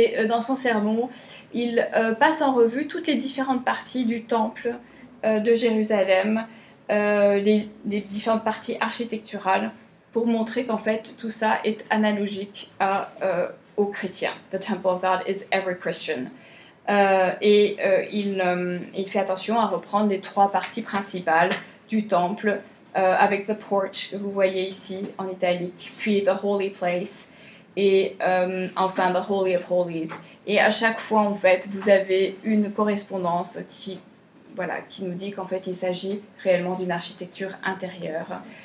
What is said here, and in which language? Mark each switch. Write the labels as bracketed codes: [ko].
[fr] Et dans son sermon, il passe en revue toutes les différentes parties du temple de Jérusalem, les différentes parties architecturales, pour montrer qu'en fait tout ça est analogique à, aux chrétiens. [en] The Temple of God is every Christian. [fr] Il fait attention à reprendre les trois parties principales du temple, avec the porch que vous voyez ici en italique, puis the holy place, et enfin the holy of holies. Et à chaque fois, en fait, vous avez une correspondance qui nous dit qu'en fait il s'agit réellement d'une architecture intérieure.